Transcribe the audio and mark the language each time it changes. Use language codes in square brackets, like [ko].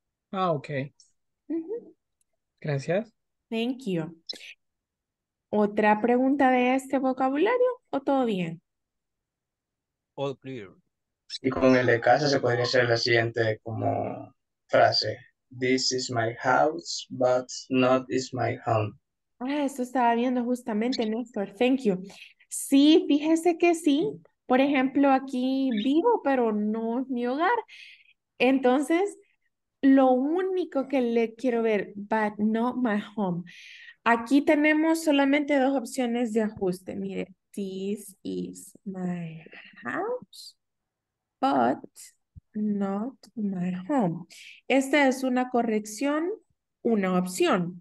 [es] Ah, ok. Gracias. [en] Thank you. [es] ¿Otra pregunta de este vocabulario o todo bien? [en] All clear. [es] Y con el de casa se podría hacer la siguiente como frase. [en] This is my house, but not is my home. [es] Ah, esto estaba viendo justamente, Néstor. [en] Thank you. [es] Sí, fíjese que sí. Por ejemplo, aquí vivo, pero no es mi hogar. Entonces, lo único que le quiero ver, [en] but not my home. [es] Aquí tenemos solamente dos opciones de ajuste. [en] Mire, this is my house, but not my home. [es] Esta es una corrección, una opción.